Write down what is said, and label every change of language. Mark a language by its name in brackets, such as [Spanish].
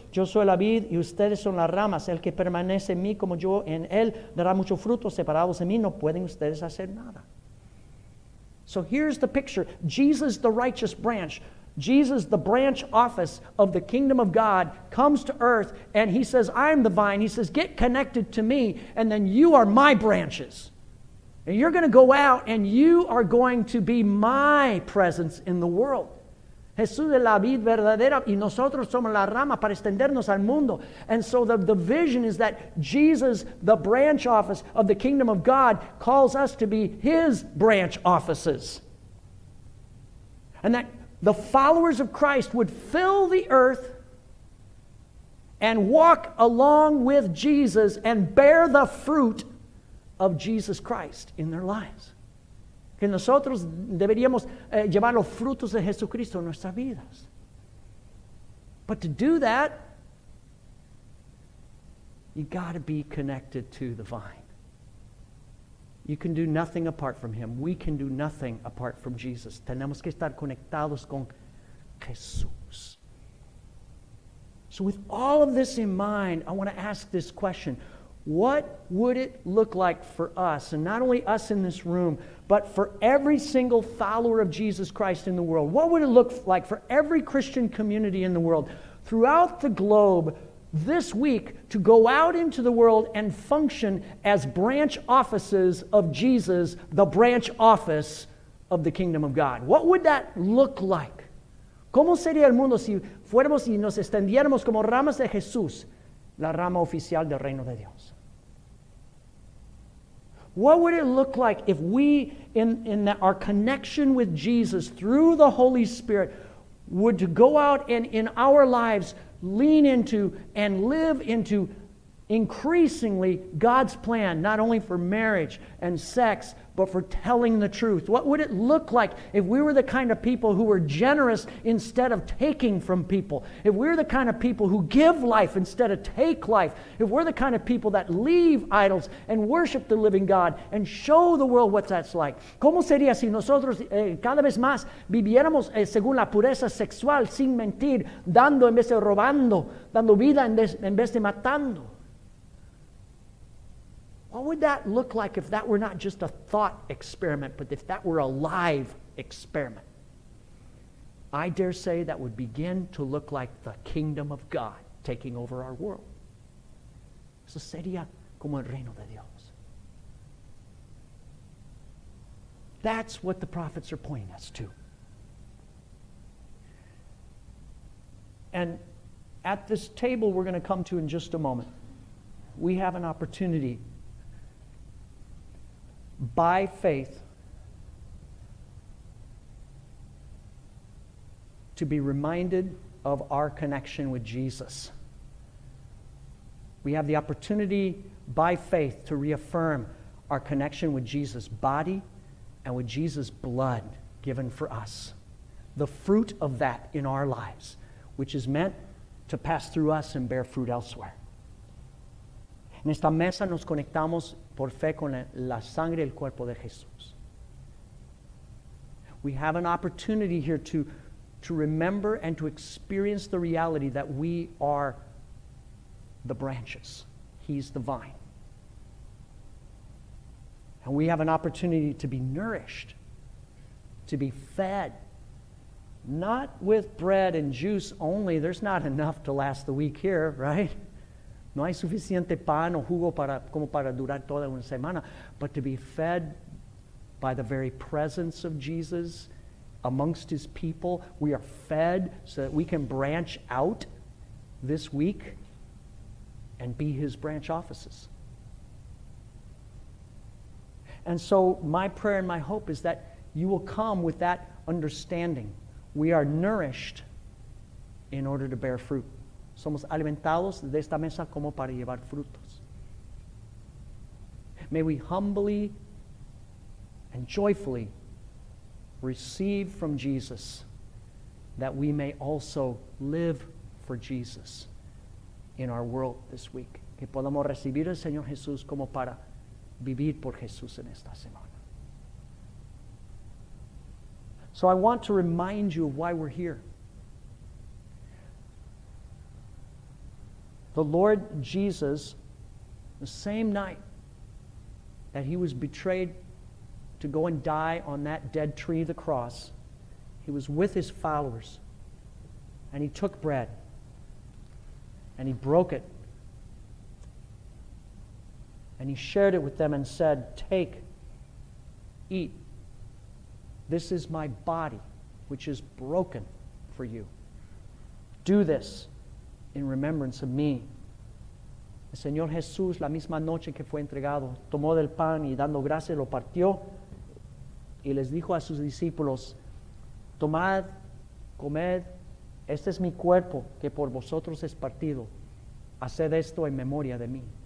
[Spanish] Yo soy la vid y ustedes son las ramas. El que permanece en mí como yo en él dará mucho fruto. Separados de mí, no pueden ustedes hacer nada." [English] So here's the picture. Jesus, the righteous branch. Jesus, the branch office of the kingdom of God, comes to earth and he says, "I'm the vine." He says, "Get connected to me and then you are my branches. And you're going to go out and you are going to be my presence in the world." [Spanish] Jesús es la vid verdadera y nosotros somos la rama para extendernos al mundo. [English] And so the vision is that Jesus, the branch office of the kingdom of God, calls us to be his branch offices. And that the followers of Christ would fill the earth and walk along with Jesus and bear the fruit of Jesus Christ in their lives. [Spanish] Que nosotros deberíamos llevar los frutos de Jesucristo en nuestras vidas. [English] But to do that, you got to be connected to the vine. You can do nothing apart from him. We can do nothing apart from Jesus. [Spanish] Tenemos que estar conectados con Jesús. [English] So with all of this in mind, I want to ask this question. What would it look like for us, and not only us in this room, but for every single follower of Jesus Christ in the world? What would it look like for every Christian community in the world throughout the globe this week to go out into the world and function as branch offices of Jesus, the branch office of the kingdom of God? What would that look like? [Spanish] ¿Cómo sería el mundo si fuéramos y nos extendiéramos como ramas de Jesús, la rama oficial del reino de Dios? [English] What would it look like if we, our connection with Jesus through the Holy Spirit, would go out and in our lives lean into and live into increasingly God's plan, not only for marriage and sex, but for telling the truth? What would it look like if we were the kind of people who were generous instead of taking from people? If we're the kind of people who give life instead of take life? If we're the kind of people that leave idols and worship the living God and show the world what that's like? [Spanish] ¿Cómo sería si nosotros cada vez más viviéramos según la pureza sexual, sin mentir, dando en vez de robando, dando vida en vez de matando? [English] What would that look like if that were not just a thought experiment, but if that were a live experiment? I dare say that would begin to look like the kingdom of God taking over our world. [Spanish] Eso sería como el reino de Dios. [English] That's what the prophets are pointing us to. And at this table we're going to come to in just a moment, we have an opportunity by faith to be reminded of our connection with Jesus. We have the opportunity by faith to reaffirm our connection with Jesus' body and with Jesus' blood given for us. The fruit of that in our lives, which is meant to pass through us and bear fruit elsewhere. [Spanish] En esta mesa nos conectamos por fe con la sangre y el cuerpo de Jesús. [English] We have an opportunity here to remember and to experience the reality that we are the branches. He's the vine. And we have an opportunity to be nourished, to be fed, not with bread and juice only. There's not enough to last the week here, right? [Spanish] No hay suficiente pan o jugo para como para durar toda una semana, [English] but to be fed by the very presence of Jesus amongst his people. We are fed so that we can branch out this week and be his branch offices. And so my prayer and my hope is that you will come with that understanding. We are nourished in order to bear fruit. [Spanish] Somos alimentados de esta mesa como para llevar frutos. [English] May we humbly and joyfully receive from Jesus that we may also live for Jesus in our world this week. [Spanish] Que podamos recibir al Señor Jesús como para vivir por Jesús en esta semana. [English] So I want to remind you of why we're here. The Lord Jesus, the same night that he was betrayed to go and die on that dead tree, the cross, he was with his followers, and he took bread, and he broke it, and he shared it with them and said, "Take, eat. This is my body, which is broken for you. Do this in remembrance of me." [Spanish] El Señor Jesús, la misma noche que fue entregado, tomó del pan y dando gracias lo partió y les dijo a sus discípulos, tomad, comed, este es mi cuerpo que por vosotros es partido, haced esto en memoria de mí.